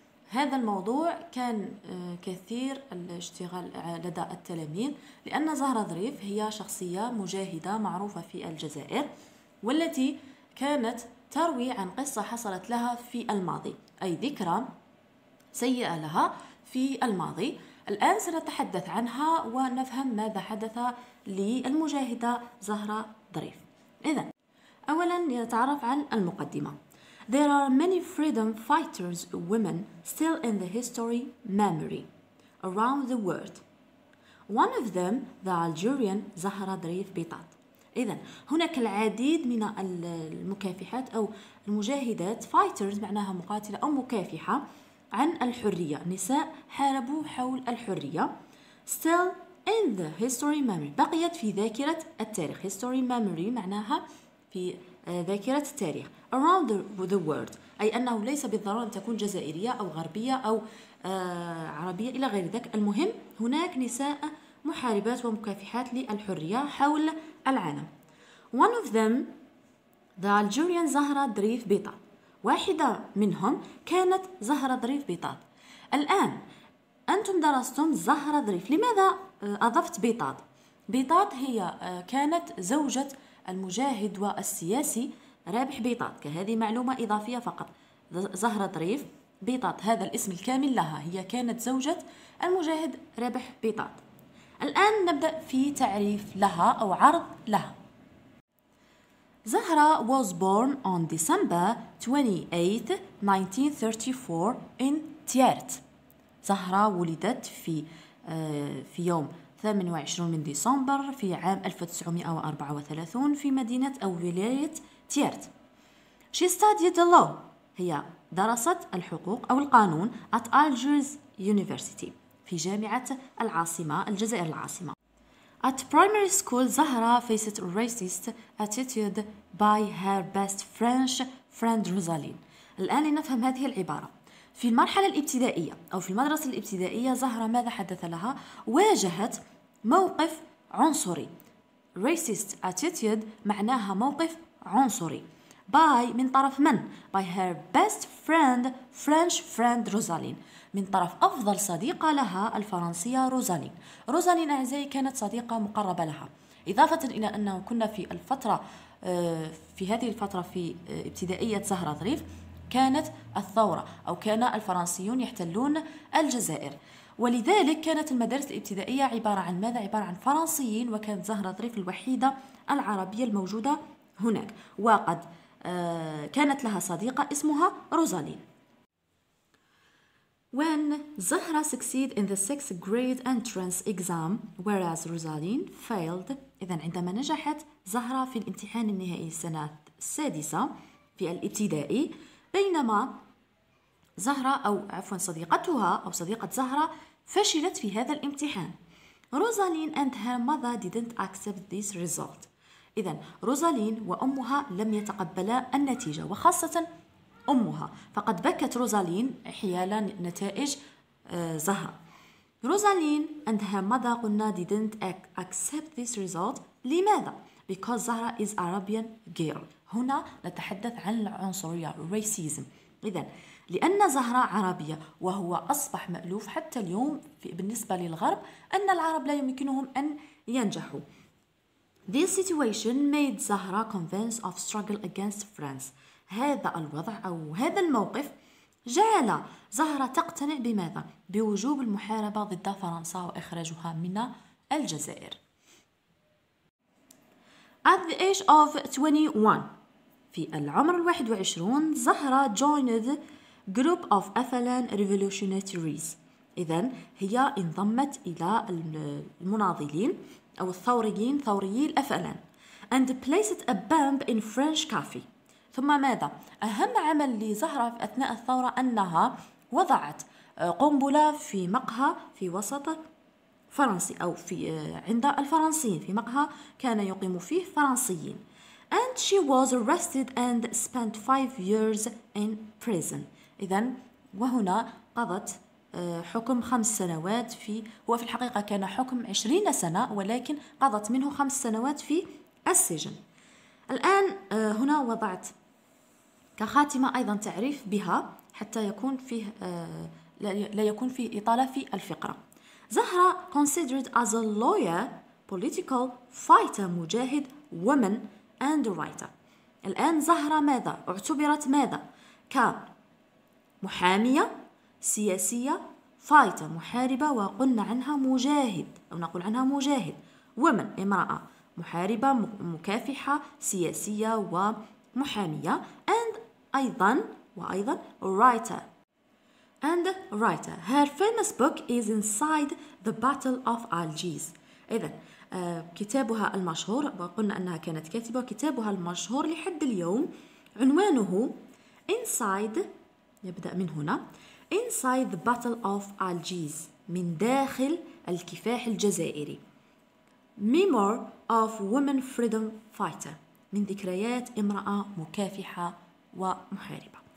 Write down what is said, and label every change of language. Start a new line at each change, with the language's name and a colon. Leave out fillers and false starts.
Arabic: هذا الموضوع كان كثير الاشتغال لدى التلاميذ لأن زهرة ظريف هي شخصية مجاهدة معروفة في الجزائر والتي كانت تروي عن قصة حصلت لها في الماضي، أي ذكرى سيئة لها في الماضي. الآن سنتحدث عنها ونفهم ماذا حدث للمجاهدة زهرة ظريف. إذن أولا نتعرف على المقدمة.
English: There are many freedom fighters women still in the history memory around the world. One of them the Algerian Zohra Drif Bitat.
Arabic: إذن هناك العديد من المكافحات أو المجاهدات fighters معناها مقاتلة أو مكافحة عن الحرية، نساء حاربوا حول الحرية.
English: Still in the history memory
Arabic: بقيت في ذاكرة التاريخ.
English: History memory
Arabic: معناها في ذاكرة التاريخ.
English: Around the world
Arabic: أي أنه ليس بالضرورة أن تكون جزائرية أو غربية أو عربية إلى غير ذلك. المهم هناك نساء محاربات ومكافحات للحرية حول العالم. One of them the Algerian زهرة ظريف بيطاط. واحدة منهم كانت زهرة ظريف بيطاط. الآن أنتم درستم زهرة ظريف، لماذا أضفت بيطاط؟ بيطاط هي كانت زوجة المجاهد والسياسي رابح بيطاط، كهذه معلومة إضافية فقط. زهرة ظريف بيطاط هذا الاسم الكامل لها، هي كانت زوجة المجاهد رابح بيطاط. الآن نبدأ في تعريف لها أو عرض لها.
English: Zahra was born on December 28, 1934 in Tiert.
Arabic: Zahra ولدت في يوم 28 من ديسمبر في عام 1934 في مدينة أو ولاية تيرت.
English: She studied the law.
Arabic: هي درست الحقوق أو القانون
English: at Algiers University
Arabic: في جامعة العاصمة الجزائر العاصمة.
English: At primary school, Zahra faced a racist attitude by her best French friend Rosaline.
Arabic: الآن لنفهم هذه العبارة. في المرحلة الابتدائية أو في المدرسة الابتدائية زهرة ماذا حدث لها؟ واجهت موقف عنصري.
English: Racist attitude
Arabic: معناها موقف عنصري.
English: By
Arabic: من طرف من؟
English: By her best friend French friend Rosaline.
Arabic: من طرف أفضل صديقة لها الفرنسية روزالين. روزالين أعزائي كانت صديقة مقربة لها، إضافة إلى أنه كنا في الفترة في هذه الفترة في ابتدائية زهرة ظريف كانت الثورة أو كان الفرنسيون يحتلون الجزائر، ولذلك كانت المدارس الابتدائية عبارة عن ماذا؟ عبارة عن فرنسيين، وكانت زهرة ظريف الوحيدة العربية الموجودة هناك، وقد كانت لها صديقة اسمها روزالين.
English: When Zahra succeeded in the sixth grade entrance exam, whereas Rosaline failed,
Arabic: إذن عندما نجحت زهرة في الامتحان النهائي السنة السادسة في الابتدائي، بينما زهرة أو عفوا صديقتها أو صديقة زهرة فشلت في هذا الامتحان.
English: Rosaline and her mother didn't accept this result.
Arabic: إذن روزالين وأمها لم يتقبلا النتيجة، وخاصة أمها، فقد بكت روزالين حيال نتائج زهرة.
English: Rosaline and her mother
Arabic: قلنا
English: didn't accept this result.
Arabic: لماذا؟
English: Because Zohra is Arabian girl.
Arabic: هنا نتحدث عن العنصرية racism. إذن لأن زهرة عربية، وهو أصبح مألوف حتى اليوم بالنسبة للغرب أن العرب لا يمكنهم أن ينجحوا.
English: This situation made Zohra convinced of struggle against France.
Arabic: هذا الوضع أو هذا الموقف جعل زهرة تقتنع بماذا؟ بوجوب المحاربة ضد فرنسا وإخراجها من الجزائر.
English: At the age of 21
Arabic: في العمر 21
English: Zohra joined group of Afalan revolutionaries.
Arabic: إذن هي انضمت إلى المناضلين أو الثوريين ثوريي الأفألان.
English: And placed a bomb in French cafe.
Arabic: ثم ماذا؟ أهم عمل لزهرة أثناء الثورة أنها وضعت قنبلة في مقهى في وسط فرنسي أو في عند الفرنسيين في مقهى كان يقيم فيه فرنسيين.
English: And she was arrested and spent 5 years in prison.
Arabic: إذن وهنا قضت حكم 5 سنوات في هو في الحقيقة كان حكم 20 سنة ولكن قضت منه 5 سنوات في السجن. الآن هنا وضعت كخاتمة أيضا تعريف بها حتى يكون فيه لا يكون فيه إطالة في الفقرة.
English: Zohra considered as a lawyer, political fighter, مجاهد, woman and writer.
Arabic: الآن زهرة ماذا؟ اعتبرت ماذا؟ كمحامية سياسية فايتر محاربة وقلنا عنها مجاهد أو نقول عنها مجاهد ومن امرأة محاربة مكافحة سياسية ومحامية and أيضا وأيضا writer and writer.
English: Her famous book is Inside the Battle of Algiers.
Arabic: إذن كتابها المشهور وقلنا أنها كانت كاتبة كتابها المشهور لحد اليوم عنوانه Inside يبدأ من هنا
English: Inside the Battle of Algiers
Arabic: من داخل الكفاح الجزائري
English: Memoir of Women Freedom Fighter
Arabic: من ذكريات امرأة مكافحة ومحاربة.